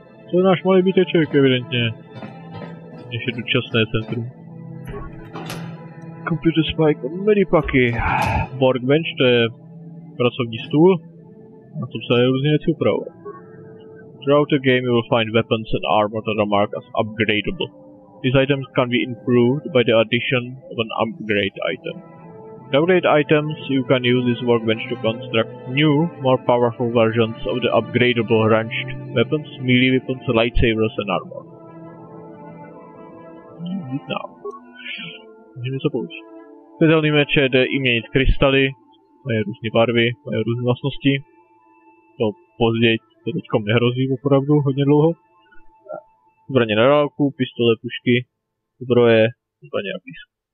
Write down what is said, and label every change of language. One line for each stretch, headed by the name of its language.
Czech: To je náš malý byteček, evidentně. Ještě dočasné centrum. Computer spike, medipaky. Workbench, to je pracovní stůl. Na tom se je různě něco upravovat.
English: Throughout the game, you will find weapons and armor that are marked as upgradable. These items can be improved by the addition of an upgrade item. To upgrade items, you can use this workbench to construct new, more powerful versions of the upgradable ranged weapons, melee weapons, lightsabers and armor.
Czech: Now, můžeme se použít. Světelný meč jde i měnit krystaly, mají různé barvy, mají různé vlastnosti. To později. To teďko nehrozí opravdu hodně dlouho. Zbraně na dálku, pistole, pušky, zbroje, zbraně na písku.